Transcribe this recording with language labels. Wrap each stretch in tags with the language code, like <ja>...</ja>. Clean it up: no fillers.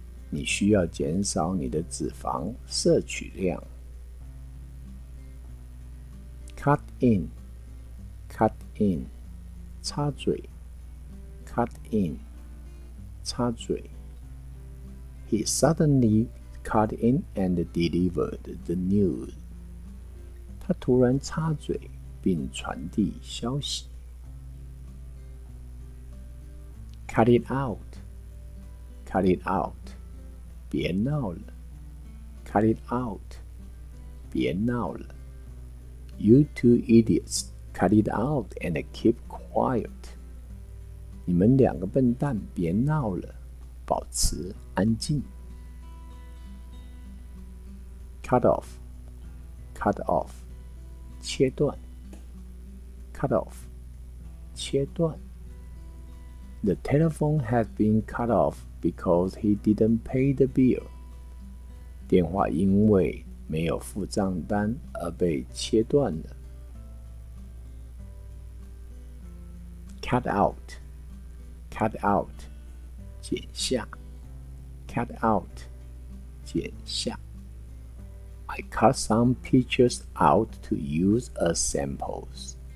<zh>你需要减少你的脂肪摄取量。</zh> <en>Cut in, cut in,</en> <zh>插嘴</zh> <en>cut in, 插嘴 He suddenly cut in and delivered the news.</en> <zh>他突然插嘴并传递消息。</zh> <en>Cut it out, cut it out,</en> <zh>别闹了。</zh> <en>Cut it out,</en> <zh>别闹了。</zh> <en>You two idiots, cut it out and keep quiet.</en> <zh>你们两个笨蛋，别闹了，保持安静。</zh> <en>Cut off, cut off,</en> <zh>切断。</zh> <en>Cut off,</en> <zh>切断。</zh> <en>The telephone had been cut off because he didn't pay the bill.</en> <zh>电话因为没有付账单而被切断了。</zh> <en>Cut out, cut out,</en> <zh>剪下。</zh> <en>Cut out,</en> <zh>剪下。</zh> <en>I cut some pictures out to use as samples.</en>